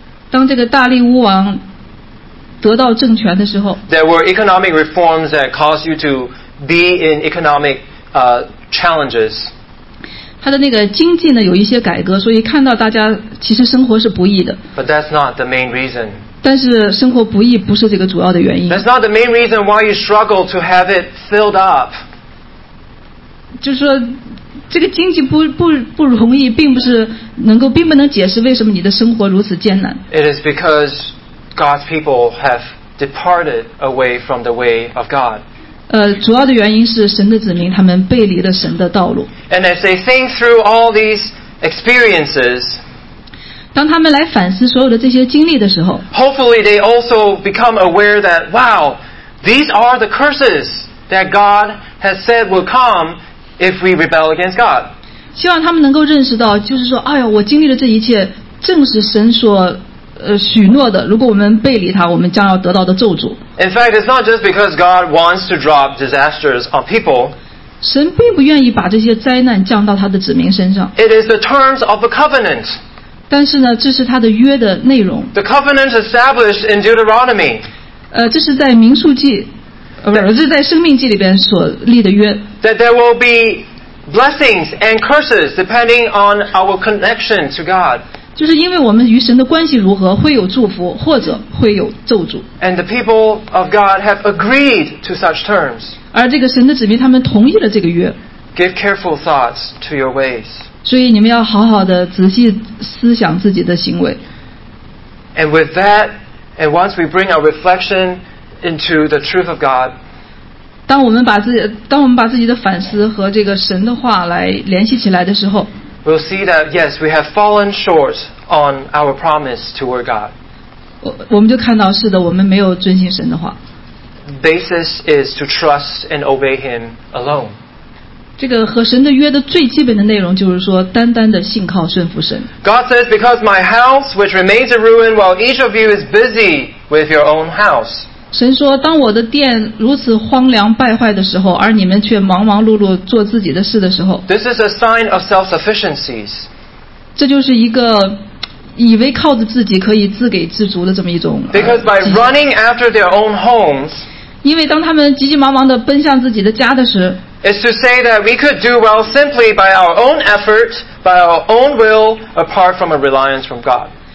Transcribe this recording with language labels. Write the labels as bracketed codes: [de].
[zh] 当这个大力乌王得到政权的时候， [en] there were economic reforms that caused you to be in economic challenges. [zh] 他的那个经济呢有一些改革，所以看到大家其实生活是不易的。 [en] But that's not the main reason. [zh] 但是生活不易不是这个主要的原因。 [en] That's not the main reason why you struggle to have it filled up. [zh] 就是说这个经济不容易，并不能解释为什么你的生活如此艰难。 [en] It is because God's people have departed away from the way of God. [zh] 主要的原因是神的子民他们背离了神的道路。 [en] And as they think through all these experiences, [zh] 当他们来反思所有的这些经历的时候， [en] hopefully they also become aware that, wow, these are the curses that God has said will come if we rebel against God. [zh] 希望他们能够认识到，就是说，哎呀，我经历了这一切，正是神所许诺的，如果我们背离他，我们将要得到的咒诅。 [en] In fact, it's not just because God wants to drop disasters on people. [zh] 神并不愿意把这些灾难降到他的子民身上。 [en] It is the terms of the covenant. [zh] 但是呢，这是他的约的内容。 [en] The covenant established in Deuteronomy. [zh] 这是在民数记，这是在生命记里边所立的约。 [en] That there will be blessings and curses depending on our connection to God. [zh] 就是因为我们与神的关系如何，会有祝福，或者会有咒诅。 [en] And the people of God have agreed to such terms. [zh] 而这个神的子民他们同意了这个约。 [en] Give careful thoughts to your ways. [zh] 所以你们要好好的仔细思想自己的行为。 [en] And with that, and once we bring our reflection into the truth of God, [zh] 当我们把自己的反思和这个神的话来联系起来的时候， [en] We'll see that, yes, we have fallen short on our promise toward God. [zh] 我们就看到是的，我们没有遵行神的话。 [en] Basis is to trust and obey Him alone. [zh] 这个和神的约的最基本的内容就是说，单单的信靠顺服神。 [en] God says, because my house which remains a ruin while each of you is busy with your own house. [zh] 神说，当我的殿如此荒凉败坏的时候，而你们却忙忙碌碌做自己的事的时候， [en] This is a sign of self-sufficiencies. [zh] 这就是一个以为靠着自己可以自给自足的这么一种。 [en] Because by running after their own homes, [zh] 因为当他们急急忙忙地奔向自己的家的时候， [en] is to say that we could do well simply by our own effort, by our own will, apart from a reliance from God.